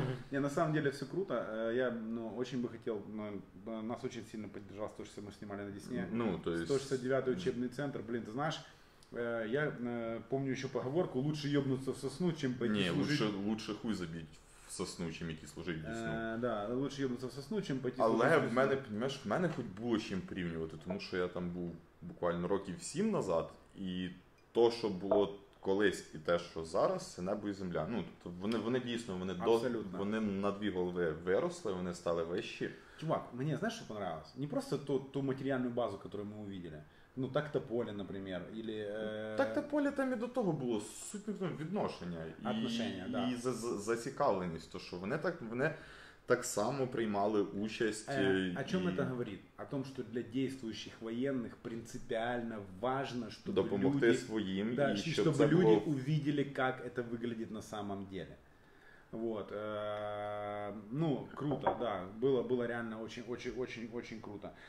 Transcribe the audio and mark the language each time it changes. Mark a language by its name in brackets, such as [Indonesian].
[Russian] Не, на самом деле все круто. Я очень бы хотел, нас очень сильно поддержал то, что мы снимали на Десне. 169-й учебный центр. Блин, ты знаешь, я помню еще поговорку, лучше ебнуться в сосну, чем пойти служить. Не, лучше хуй забить. [Ukrainian] Сосну, чим йти служити в Десну. [Russian] Да, лучше йобнутися в Сосну, чим пойти. [Ukrainian] Але в мене, понимаєш, в мене хоч було чим порівнювати, тому що я там був буквально років 7 назад, і то, що було колись, і те, що зараз, це небо і земля. Ну, тобто вони дійсно, вони на дві голови виросли, вони стали вищі. Чувак, мені, знаєш, що понравилось? Не просто ту матеріальну базу, яку ми побачили. [Russian] Ну, так-то поле, например, или... Так-то поле там и до того было [Ukrainian] суть відношення. [Russian] Отношения, да. [Ukrainian] И зацікавленість, [Russian] то, что [Ukrainian] вони так само приймали участь. [Russian] О чем это говорит? О том, что для действующих военных принципиально важно, чтобы люди... [Ukrainian] Допомогти своим. [Russian] Да, чтобы люди увидели, как это выглядит на самом деле. Вот. Ну, круто, да. Было реально очень-очень-очень-очень круто.